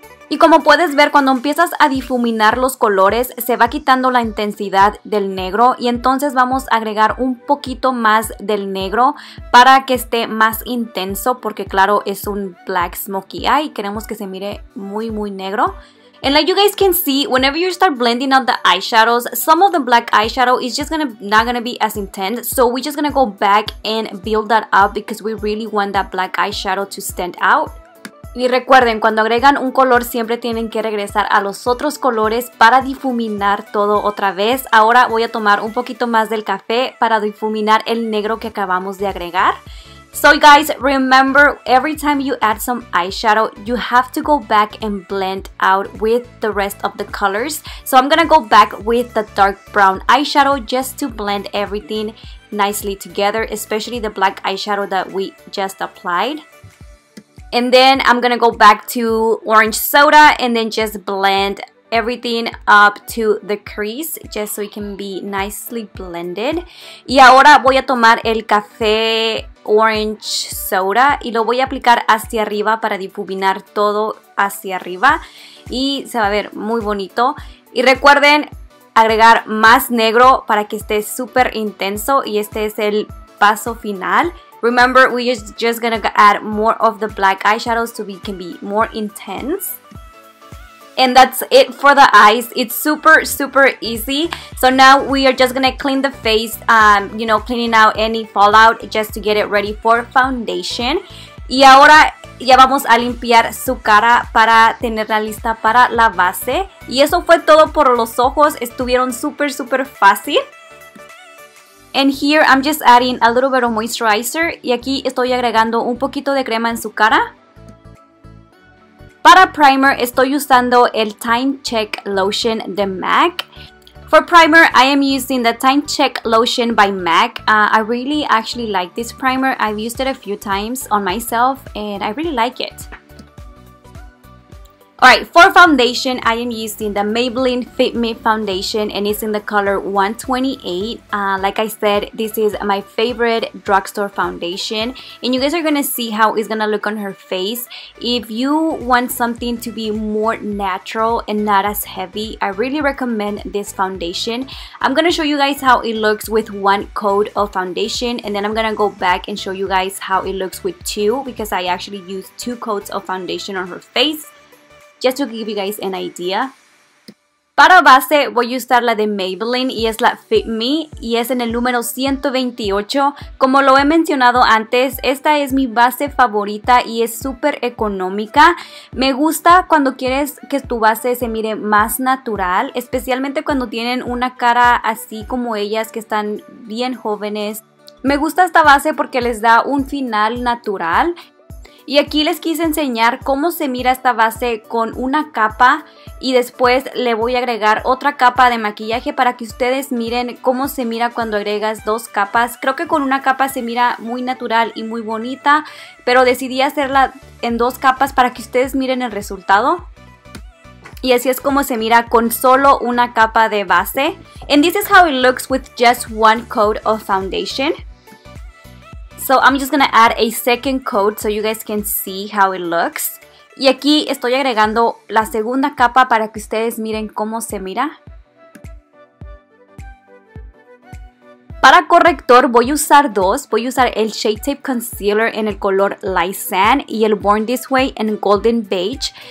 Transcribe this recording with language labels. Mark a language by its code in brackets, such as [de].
[es] Y como puedes ver, cuando empiezas a difuminar los colores, se va quitando la intensidad del negro y entonces vamos a agregar un poquito más del negro para que esté más intenso, porque claro, es un [en] black smoky eye [es] y queremos que se mire muy muy negro. [en] And like you guys can see, whenever you start blending out the eyeshadows, some of the black eyeshadow is just not gonna be as intense. So we're just gonna go back and build that up because we really want that black eyeshadow to stand out. [es] Y recuerden, cuando agregan un color siempre tienen que regresar a los otros colores para difuminar todo otra vez. Ahora voy a tomar un poquito más del café para difuminar el negro que acabamos de agregar. [en] So guys, remember, every time you add some eyeshadow, you have to go back and blend out with the rest of the colors. So I'm gonna go back with the dark brown eyeshadow just to blend everything nicely together, especially the black eyeshadow that we just applied. And then I'm gonna go back to orange soda and then just blend everything up to the crease just so it can be nicely blended. [es] Y ahora voy a tomar el café orange soda y lo voy a aplicar hacia arriba para difuminar todo hacia arriba y se va a ver muy bonito. Y recuerden agregar más negro para que esté súper intenso y este es el paso final. [en] Remember, we are just gonna add more of the black eyeshadows so we can be more intense. And that's it for the eyes. It's super, super easy. So now we are just gonna clean the face, you know, cleaning out any fallout just to get it ready for foundation. [es] Y ahora ya vamos a limpiar su cara para tenerla lista para la base. Y eso fue todo por los ojos. Estuvieron super, super fácil. [en] And here I'm just adding a little bit of moisturizer. [es] Y aquí estoy agregando un poquito de crema en su cara. Para primer estoy usando el Time Check Lotion de MAC. [en] For primer, I am using the Time Check Lotion by MAC. I really actually like this primer. I've used it a few times on myself and I really like it. Alright, for foundation, I am using the Maybelline Fit Me Foundation and it's in the color 128. Like I said, this is my favorite drugstore foundation and you guys are gonna see how it's gonna look on her face. If you want something to be more natural and not as heavy, I really recommend this foundation. I'm gonna show you guys how it looks with one coat of foundation and then I'm gonna go back and show you guys how it looks with two because I actually used two coats of foundation on her face. Just to give you guys an idea. [es] Para base voy a usar la de Maybelline y es la Fit Me y es en el número 128. Como lo he mencionado antes, esta es mi base favorita y es súper económica. Me gusta cuando quieres que tu base se mire más natural, especialmente cuando tienen una cara así como ellas que están bien jóvenes. Me gusta esta base porque les da un final natural. Y aquí les quise enseñar cómo se mira esta base con una capa y después le voy a agregar otra capa de maquillaje para que ustedes miren cómo se mira cuando agregas dos capas. Creo que con una capa se mira muy natural y muy bonita, pero decidí hacerla en dos capas para que ustedes miren el resultado. Y así es como se mira con solo una capa de base. [en] And this is how it looks with just one coat of foundation. So I'm just gonna add a second coat so you guys can see how it looks. [es] Y aquí estoy agregando la segunda capa para que ustedes miren cómo se mira. Para corrector voy a usar dos. Voy a usar el Shape Tape Concealer en el color Lysan y el Born This Way en Golden Beige.